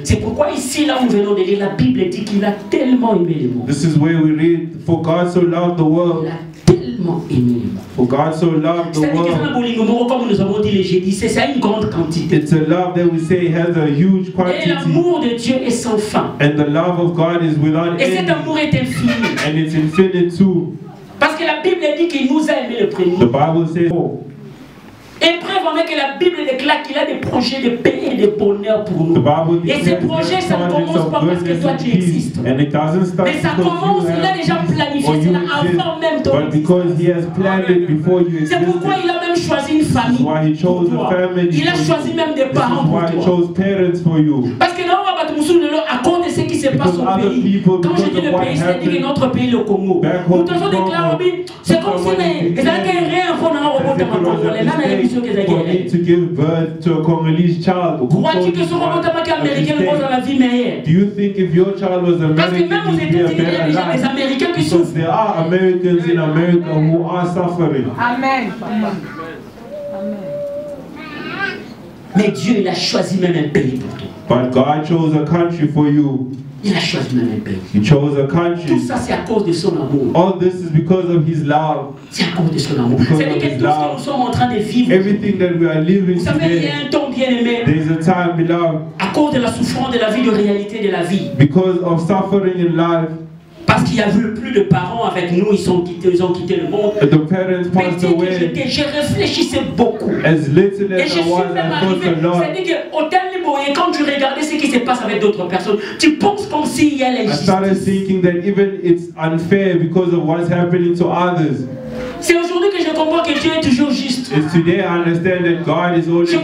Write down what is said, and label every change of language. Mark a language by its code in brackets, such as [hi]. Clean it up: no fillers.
[fr] C'est pourquoi ici là nous venons de lire la Bible dit qu'il a tellement aimé le monde. [en] This is where we read, for God so loved the world. [fr] Il a tellement tellement aimé le monde. [en] For God so loved the world. [fr] C'est un symbolique. Nous comme nous avons dit les jeudis, c'est ça une grande quantité. [en] It's a love that we say has a huge quantity. [fr] Et l'amour de Dieu est sans fin. [en] And the love of God is without end. [fr] Et cet amour est infini. [en] And it's infinite too. [fr] Parce que la Bible dit qu'il nous a aimé le premier. [en] The Bible says. [fr] Et preuve en est que la Bible déclare qu'il a des projets de paix et de bonheur pour nous. [en] The Bible [fr] et ces projets, ça ne commence pas parce que toi tu existes. [en] And it doesn't start [fr] mais ça commence, il a déjà planifié cela avant même ton existence. C'est pourquoi il a même choisi une famille. [en] Why he chose [fr] pour toi. [en] A family [fr] il a choisi même des parents pour toi. [en] He chose parents for you. [fr] Parce que là, à cause de ce qui se passe au pays. [en] People, [fr] quand je dis le pays, c'est-à-dire notre pays, le Congo. Nous toujours déclarons, c'est comme si nous n'avions rien à voir dans le robot de ma Congolais. [en] For me to give birth to a Congolese child. Do you think if your child was American, you'd be a better life? Because there are Americans in America who are suffering. Amen. Amen. [fr] Mais Dieu, il a choisi même un pays pour toi. [en] But God chose a country for you. [fr] Il a choisi même un pays. [en] He chose a country. [fr] Tout ça, c'est à cause de son amour. All this is because of his love. C'est à cause de son amour. C'est parce que tout ce que nous sommes en train de vivre. [en] Everything that we are living [fr] Vous savez, il y a un temps bien aimé. [en] There's a time, beloved. [fr] À cause de la souffrance de la vie, de la réalité de la vie. [en] Because of suffering in life. [fr] Parce qu'il n'y a plus de parents avec nous, ils ont quitté le monde. [en] And the parents passed away. [fr] Je réfléchissais beaucoup. [en] As little as I was, I thought a lot. [fr] C'est-à-dire que au dernier moment, quand tu regardais ce qui se passe avec d'autres personnes, tu penses comme s'il y a l'injustice. [en] I started thinking that even it's unfair because of what's happening to others. [fr] C'est aujourd'hui que je comprends que Dieu est toujours juste. [en] It's today I understand that God is always right.